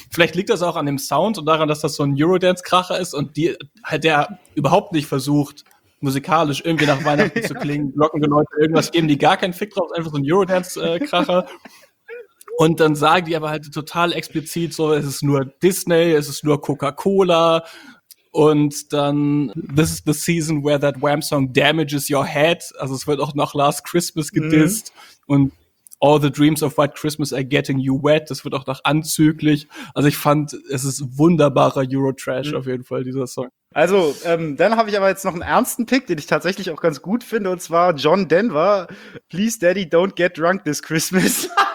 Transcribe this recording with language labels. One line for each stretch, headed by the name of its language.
German: Vielleicht liegt das auch an dem Sound und daran, dass das so ein Eurodance-Kracher ist und der überhaupt nicht versucht, musikalisch irgendwie nach Weihnachten zu klingen, locken Leute irgendwas geben, die gar keinen Fick drauf, einfach so ein Eurodance-Kracher. Und dann sagen die aber halt total explizit so, es ist nur Disney, es ist nur Coca-Cola. Und dann,
English: this is the season where that wham song damages your head.
German: Also es wird auch noch Last Christmas gedisst. Mhm.
English: Und all the dreams of white Christmas are getting you wet.
German: Das wird auch noch anzüglich. Also ich fand, es ist wunderbarer Euro-Trash auf jeden Fall, dieser Song. Also, dann habe ich aber jetzt noch einen ernsten Pick, den ich tatsächlich auch ganz gut finde. Und zwar John Denver, Please Daddy Don't Get Drunk This Christmas.